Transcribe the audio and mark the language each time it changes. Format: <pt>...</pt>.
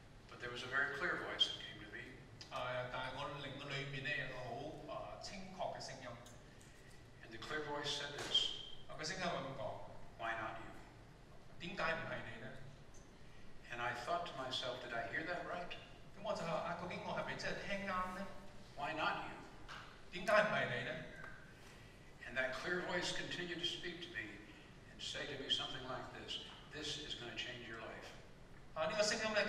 <en>but there was a very clear voice that came to me.</en> <zh>但我靈裡面有一個很清確的聲音.</zh> <en>And the clear voice said this.</en> <zh>我的聲音是這樣說,</zh> <en>why not you?</en> <zh>為何不是你呢?</zh> <en>And I thought to myself, did I hear that right?</en> <zh>我就說,究竟我是不是真的聽對呢?</zh> <en>Why not you?</en> <zh>為何不是你呢?</zh> <en>And that clear voice continued to speak to me and say to me something like this, this is going to change your life.</en>